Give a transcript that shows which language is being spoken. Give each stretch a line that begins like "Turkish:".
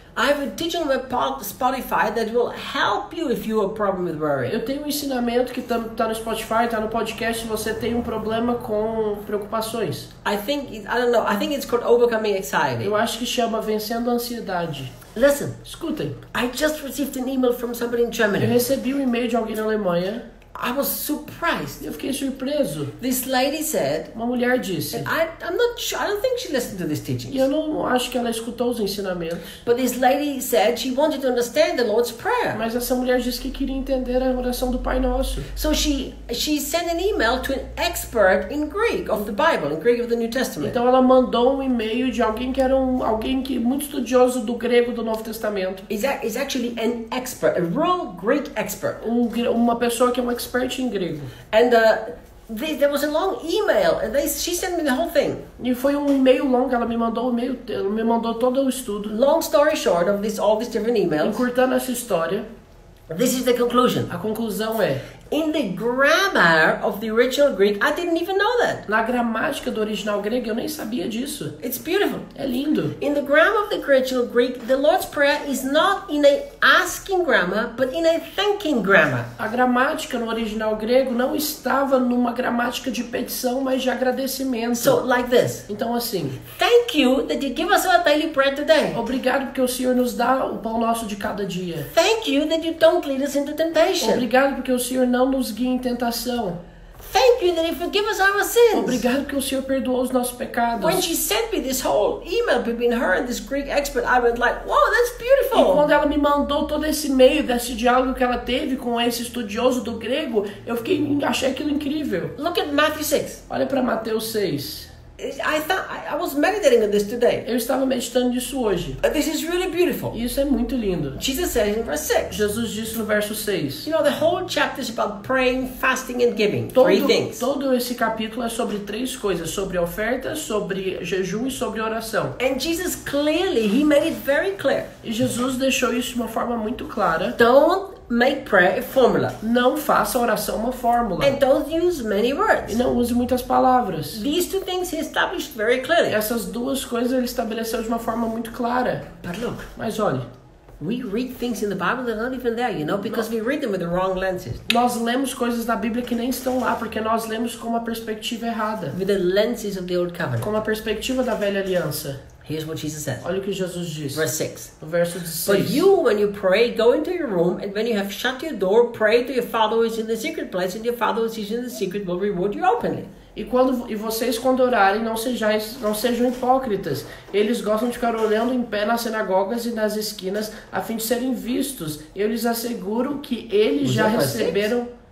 English: I have a teaching on Spotify that will help you if you have a problem with worry.
Portuguese: Eu tenho um ensinamento que tá no Spotify, tá no podcast, se você tem um problema com preocupações.
English: I think it's called Overcoming Anxiety.
Portuguese: Eu acho que chama Vencendo a Ansiedade.
English: Listen.
Portuguese: Escutem.
English: I just received an email from somebody in Germany.
Portuguese: Eu recebi um e-mail de alguém na Alemanha.
English: I was surprised.
Portuguese: Eu fiquei surpreso.
English: This lady said.
Portuguese: Uma mulher disse.
English: I don't think she listened to this teaching.
Portuguese: Eu não acho que ela escutou os ensinamentos.
English: But this lady said she wanted to understand the Lord's Prayer.
Portuguese: Mas essa mulher disse que queria entender a oração do Pai Nosso.
English: So she sent an email to an expert in Greek of the Bible, in Greek of the New Testament.
Portuguese: Então ela mandou um e-mail de alguém que era alguém que muito estudioso do grego do Novo Testamento.
English: Is actually an expert, a real Greek expert.
Portuguese: Uma pessoa que é uma expert em grego.
English: And there was a long email. She sent me the whole thing.
Portuguese: E foi um e-mail longo. Ela me mandou todo o estudo.
English: Long story short of this, all these different emails.
Portuguese: Encurtando essa história.
English: This is the conclusion.
Portuguese: A conclusão é.
English: In the grammar of the original Greek, I didn't even know that.
Portuguese: Na gramática do original grego, eu nem sabia disso.
English: It's beautiful.
Portuguese: É lindo.
English: In the grammar of the original Greek, the Lord's Prayer is not in a asking grammar, but in a thanking grammar.
Portuguese: A gramática no original grego não estava numa gramática de petição, mas de agradecimento.
English: So, like this.
Portuguese: Então, assim.
English: Thank you that you give us our daily bread today.
Portuguese: Obrigado porque o Senhor nos dá o pão nosso de cada dia.
English: Thank you that you don't lead us into temptation.
Portuguese: Obrigado porque o Senhor não nos guia em tentação.
English: Thank you that you forgive us our sins.
Portuguese: Obrigado que o Senhor perdoou os nossos pecados.
English: When she sent me this whole email between her and this Greek expert, I was like, "Wow, that's beautiful."
Portuguese: E quando ela me mandou todo esse e-mail desse diálogo que ela teve com esse estudioso do grego, eu fiquei achei aquilo incrível.
English: Look at Matthew 6.
Portuguese: Olha para Mateus 6.
English: I was meditating on this today.
Portuguese: Eu estava meditando disso hoje.
English: This is really beautiful.
Portuguese: Isso é muito lindo.
English: Jesus says in verse 6.
Portuguese: Jesus disse no verso 6.
English: You know, the whole chapter is about praying, fasting and giving. Three things.
Portuguese: Todo esse capítulo é sobre três coisas: sobre oferta, sobre jejum e sobre oração.
English: And Jesus clearly, he made it very clear.
Portuguese: E Jesus deixou isso de uma forma muito clara.
English: Don't make prayer a formula.
Portuguese: Não faça a oração uma fórmula.
English: And don't use many words.
Portuguese: E não use muitas palavras.
English: These two things he established very clearly.
Portuguese: Essas duas coisas ele estabeleceu de uma forma muito clara.
English: But look.
Portuguese: Mas olhe.
English: We read things in the Bible that aren't even there, you know, because we read them with the wrong lenses.
Portuguese: Nós lemos coisas da Bíblia que nem estão lá, porque nós lemos com uma perspectiva errada.
English: With the lenses of the old covenant.
Portuguese: Com a perspectiva da velha aliança.
English: Here's what Jesus says.
Portuguese: Olha o que Jesus diz.
English: Verse 6.
Portuguese: Verso 6.
English: But you, when you pray, go into your room, and when you have shut your door, pray to your Father who is in the secret place, and your Father who is in the secret will reward you openly.
Portuguese: E vocês, quando orarem, não sejam hipócritas. Eles gostam de ficar olhando em pé nas sinagogas e nas esquinas, a fim de serem vistos. Eu lhes asseguro que eles já receberam...